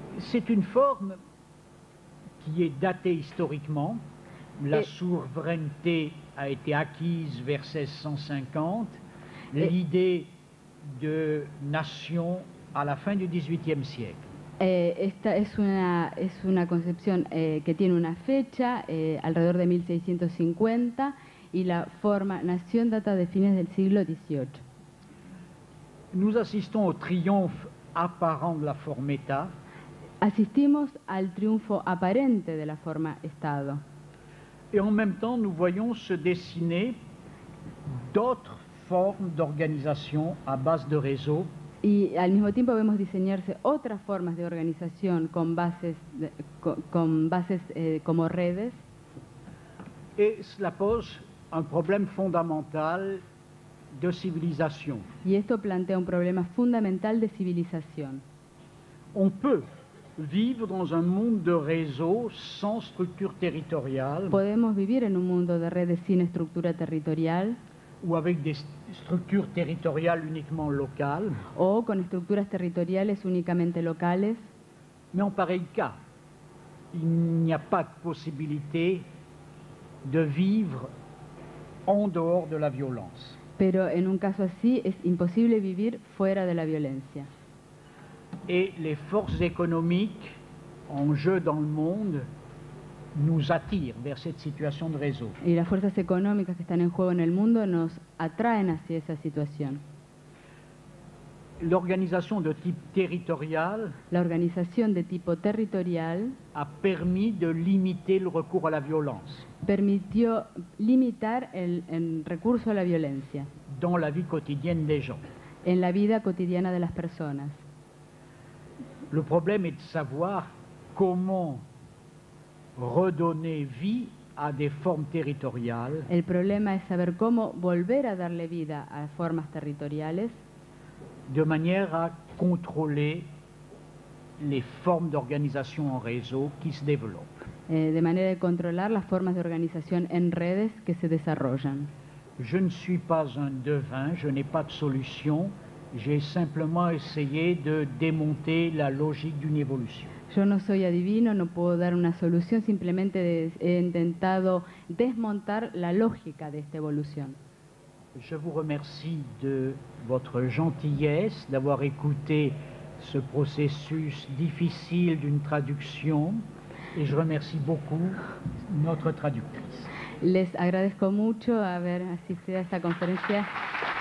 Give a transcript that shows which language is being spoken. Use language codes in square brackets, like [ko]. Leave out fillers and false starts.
[fr] C'est une forme qui est datée historiquement. La souveraineté a été acquise vers 1650. L'idée de nation à la fin du XVIIIe siècle. [es] Esta es una concepción que tiene una fecha alrededor de 1650 y la forma nación data de fines del siglo XVIII. [fr] Nous assistons au triomphe apparent de la forme État. [es] Assistimos al triunfo aparente de la forma Estado. [fr] Et en même temps, nous voyons se dessiner d'autres formes d'organisation à base de réseaux. [es] y al mismo tiempo vemos diseñarse otras formas de organización con bases de, con bases como redes. [fr] Et cela pose un problème fondamental de civilisation. [es] Y esto plantea un problema fundamental de civilización. [fr] On peut vivre dans un monde de réseaux sans structure territoriale. [es] Podemos vivir en un mundo de redes sin estructura territorial. [fr] Ou avec des structures territoriales uniquement locales. [es] O con estructuras territoriales únicamente locales. [fr] Mais en pareil cas, il n'y a pas de possibilité de vivre en dehors de la violence. [es] Pero en un caso así es imposible vivir fuera de la violencia. [fr] Et les forces économiques en jeu dans le monde nous attirent vers cette situation de réseau. [es] Y las fuerzas económicas que están en juego en el mundo nos atraen hacia esa situación. [fr] L'organisation de type territorial, [es] la organización de tipo territorial, [fr] a permis de limiter le recours à la violence. [es] Permitió limitar el recurso a la violencia. [fr] Dans la vie quotidienne des gens. [es] En la vida cotidiana de las personas. [fr] Le problème est de savoir comment redonner vie à des formes territoriales. [es] El problema es saber cómo volver a darle vida a formas territoriales. [fr] De manière à contrôler les formes d'organisation en réseau qui se développent. [es] De manera de controlar las formas de organización en redes que se desarrollan. [fr] Je ne suis pas un devin, je n'ai pas de solution. J'ai simplement essayé de démonter la logique d'une évolution. [es] Yo no soy adivino, no puedo dar una solución, simplemente he intentado desmontar la lógica de esta evolución. [fr] Je vous remercie de votre gentillesse, d'avoir écouté ce processus difficile d'une traduction, et je remercie beaucoup notre traductrice. [es] Les agradezco mucho haber asistido a esta conferencia.